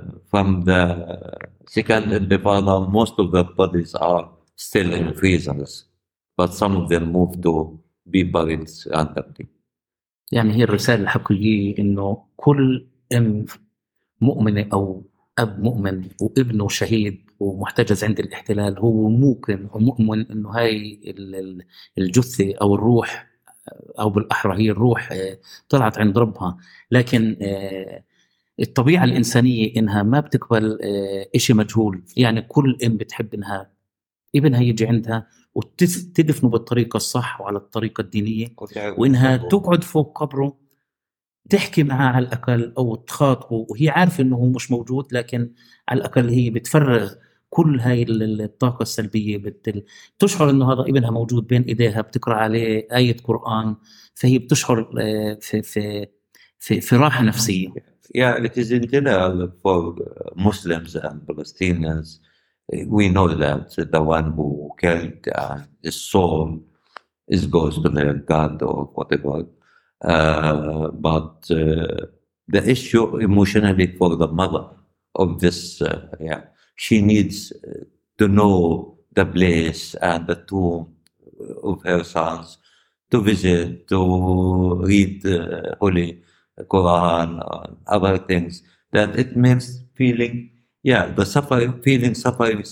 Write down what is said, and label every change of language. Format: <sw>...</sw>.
<en>From the second Intifada, most of the bodies are still in freezers, but some of them moved to be buried randomly.</en> <ar>يعني هي الرسالة الحقيقية إنه كل أم مؤمنة أو أب مؤمن وابنه شهيد ومحتجز عند الاحتلال هو ممكن ومؤمن إنه هاي الجثة أو الروح أو بالأحرى هي الروح طلعت عند ربها، لكن الطبيعة الإنسانية إنها ما بتقبل إشي مجهول. يعني كل أم بتحب إنها ابنها يجي عندها وتدفنه بالطريقة الصح وعلى الطريقة الدينية، وإنها تقعد فوق قبره تحكي معها على الأقل أو تخاطبه وهي عارفة إنه مش موجود، لكن على الأقل هي بتفرغ كل هاي الطاقة السلبية، بتشعر إنه هذا ابنها موجود بين إيديها، بتقرأ عليه آية قرآن، فهي بتشعر في في في, في راحة نفسية.</ar> <en>Yeah, it is in general for Muslims and Palestinians. We know that the one who killed his soul is goes to their God or whatever. But the issue emotionally for the mother of this, she needs to know the place and the tomb of her sons, to visit, to read the Holy Quran and other things, that it means feeling, the suffering, feeling suffering.</en>